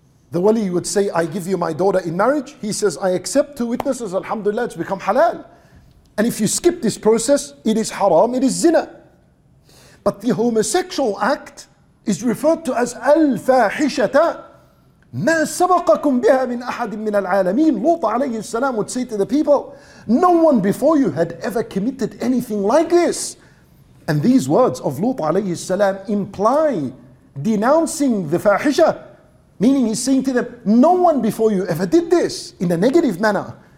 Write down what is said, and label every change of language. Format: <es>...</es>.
<en>The wali would say, I give you my daughter in marriage. He says, I accept, two witnesses, alhamdulillah, it's become halal. And if you skip this process, it is haram, it is zina. But the homosexual act is referred to as al-fahishata.</en> <ar>ما سبقكم بها من أحد من العالمين.</ar> <en>Lut alayhi salam would say to the people, no one before you had ever committed anything like this. And these words of Lut alayhi salam imply denouncing the fahisha, meaning he's saying to them, no one before you ever did this, in a negative manner.</en>